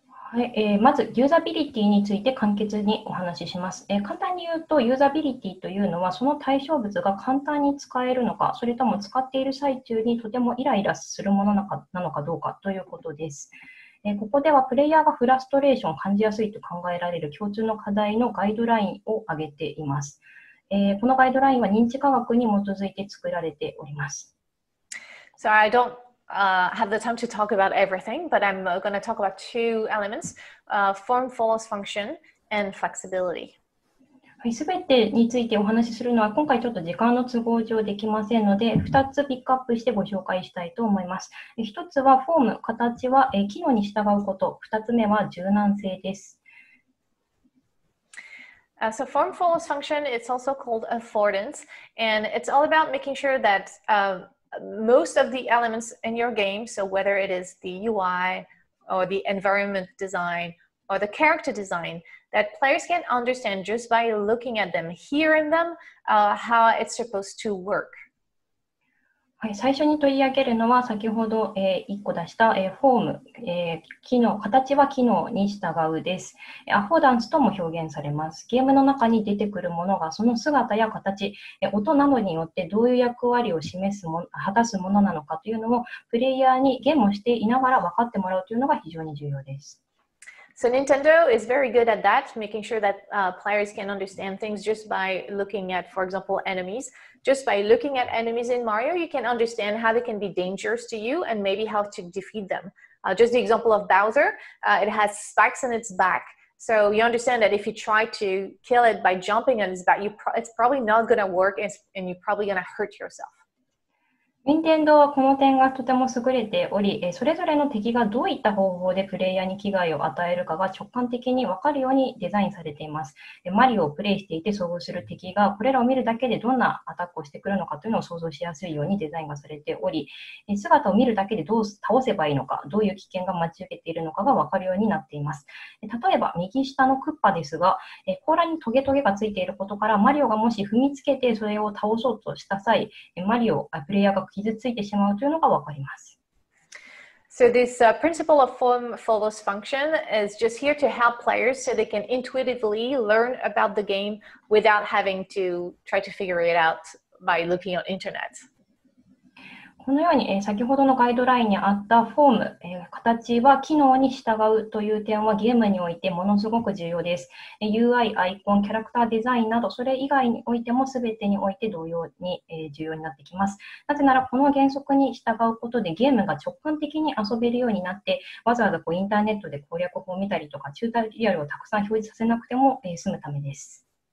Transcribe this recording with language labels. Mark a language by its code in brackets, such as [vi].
[ja] はい、まずユーザビリティについて簡潔にお話しします。簡単に言うとユーザビリティというのはその対象物が簡単に使えるのか、それとも使っている最中にとてもイライラするものなのかどうかということです。ここではプレイヤーがフラストレーションを感じやすいと考えられる共通の課題のガイドラインを挙げています。このガイドラインは認知科学に基づいて作られております。 [en] Sorry, I don'tHave the time to talk about everything, but I'm going to talk about two elements, form follows function and flexibility. [ja] はい、すべてについてお話しするのは今回ちょっと時間の都合上できませんので2つピックアップしてご紹介したいと思います。 1つはフォーム、形は機能に従うこと、2つ目は柔軟性です。 [en] So form follows function, it's also called affordance, and it's all about making sure that most of the elements in your game, so whether it is the UI or the environment design or the character design, that players can understand just by looking at them, hearing them, how it's supposed to work. [ja] はい、最初に取り上げるのは先ほど、1個出した、フォーム、機能、形は機能に従うです。アフォーダンスとも表現されます。ゲームの中に出てくるものがその姿や形、音などによってどういう役割を示すも果たすものなのかというのをプレイヤーにゲームをしていながら分かってもらうというのが非常に重要です。 [en] So Nintendo is very good at that, making sure that players can understand things just by looking at, for example, enemies. Just by looking at enemies in Mario, you can understand how they can be dangerous to you and maybe how to defeat them. Just the example of Bowser, it has spikes on its back. So you understand that if you try to kill it by jumping on its back, it's probably not going to work and you're probably going to hurt yourself. [ja] 任天堂はこの点がとても優れており、それぞれの敵がどういった方法でプレイヤーに危害を与えるかが直感的に分かるようにデザインされています。マリオをプレイしていて遭遇する敵がこれらを見るだけでどんなアタックをしてくるのかというのを想像しやすいようにデザインがされており、姿を見るだけでどう倒せばいいのか、どういう危険が待ち受けているのかが分かるようになっています。例えば右下のクッパですが、甲羅にトゲトゲがついていることからマリオがもし踏みつけてそれを倒そうとした際、マリオ、プレイヤーが傷ついてしまうというのが分かります。 [en] So this principle of form follows function is just here to help players so they can intuitively learn about the game without having to try to figure it out by looking on internet. [ja] このように、先ほどのガイドラインにあったフォーム、形は機能に従うという点はゲームにおいてものすごく重要です。 UI、アイコン、キャラクターデザインなどそれ以外においても全てにおいて同様に、重要になってきます。なぜならこの原則に従うことでゲームが直感的に遊べるようになって、わざわざこうインターネットで攻略法を見たりとかチュートリアルをたくさん表示させなくても、済むためです。